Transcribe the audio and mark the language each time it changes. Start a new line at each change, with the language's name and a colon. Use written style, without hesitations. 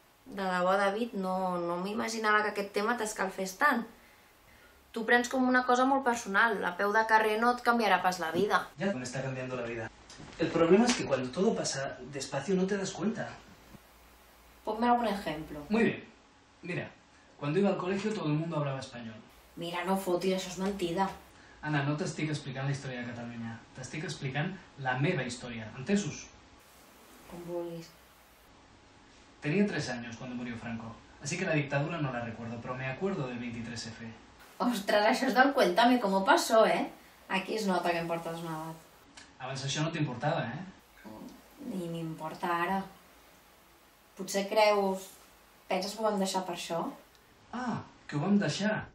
Catalan: De debò, David, no m'imaginava que aquest tema t'escalfés tant. Tu prens com una cosa molt personal. A peu de carrer no et canviarà pas la vida. Ja m'està canviant la vida. El problema és que quan tot passa
Spanish: despacio no te das cuenta.
Catalan: Ponme algun exemple.
Spanish: Muy bien. Mira, cuando iba al colegio todo el mundo hablaba español.
Catalan: Mira, no fotis, això és mentida. Anna, no t'estic explicant la història de Catalunya. T'estic explicant la meva història, entesos? Com vulguis.
Spanish: Tenía 3 años cuando murió Franco, así que la dictadura no la recuerdo, pero me acuerdo del 23F.
Catalan: Ostres, això és del Cuéntame, com ho passó, eh? Aquí es nota que em portes una edat. Abans això no t'importava, eh? Ni m'importa ara. Potser creus... Penses que ho vam deixar per això? Ah, que ho vam deixar.